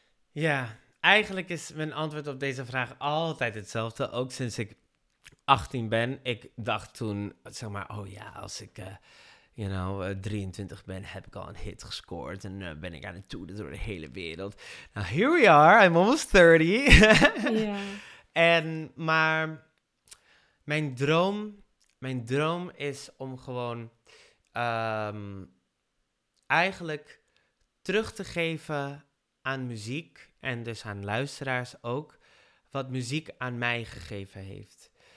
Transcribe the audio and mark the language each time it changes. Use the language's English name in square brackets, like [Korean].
[Dutch] Ja, eigenlijk is mijn antwoord op deze vraag altijd hetzelfde. Ook sinds ik 18 ben. Ik dacht toen, zeg maar, oh ja, als ik 23 ben, heb ik al een hit gescoord. En ben ik aan het toeren door de hele wereld. [English] Nou, here we are, I'm almost 30. [Dutch] Ja. Yeah. Maar mijn droom... Mijn droom is om gewoon eigenlijk terug te geven aan muziek en dus aan luisteraars ook, wat muziek aan mij gegeven heeft.